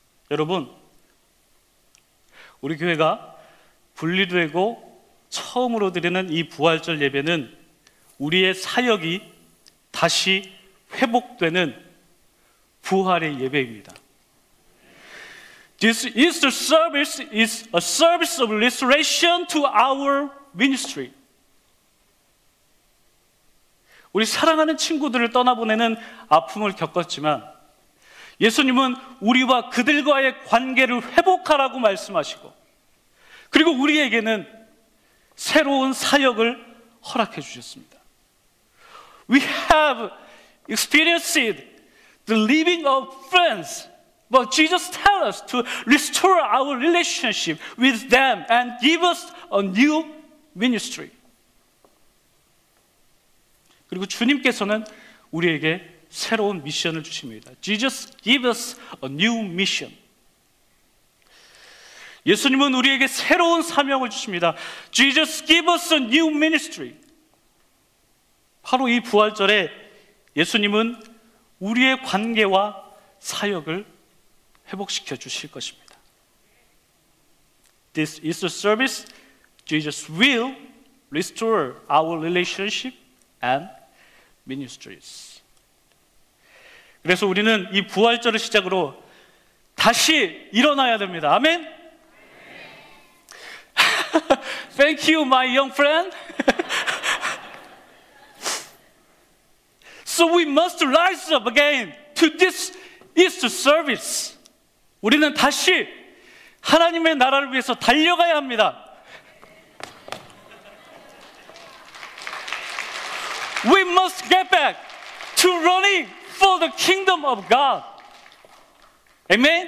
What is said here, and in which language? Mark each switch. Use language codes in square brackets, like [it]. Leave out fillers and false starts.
[ko] 여러분, 우리 교회가 분리되고 처음으로 드리는 이 부활절 예배는 우리의 사역이 다시 회복되는 부활의 예배입니다. [en] This Easter service is a service of restoration to our ministry. [ko] 우리 사랑하는 친구들을 떠나보내는 아픔을 겪었지만 예수님은 우리와 그들과의 관계를 회복하라고 말씀하시고 그리고 우리에게는 새로운 사역을 허락해 주셨습니다. [en] We have experienced the living of friends, but Jesus tells us to restore our relationship with them and give us a new ministry. [ko] 그리고 주님께서는 우리에게 새로운 미션을 주십니다. [en] Jesus gives us a new mission. [ko] 예수님은 우리에게 새로운 사명을 주십니다. [en] Jesus gives us a new ministry. [ko] 바로 이 부활절에 예수님은 우리의 관계와 사역을 회복시켜 주실 것입니다. [en] This Easter service, Jesus will restore our relationship and ministries. [ko] 그래서 우리는 이 부활절을 시작으로 다시 일어나야 됩니다. 아멘? [en] Thank you, my young friend. So we must rise up again to this Easter service. [ko] 우리는 다시 하나님의 나라를 위해서 달려가야 합니다. [en] We must get back to running for the kingdom of God. Amen?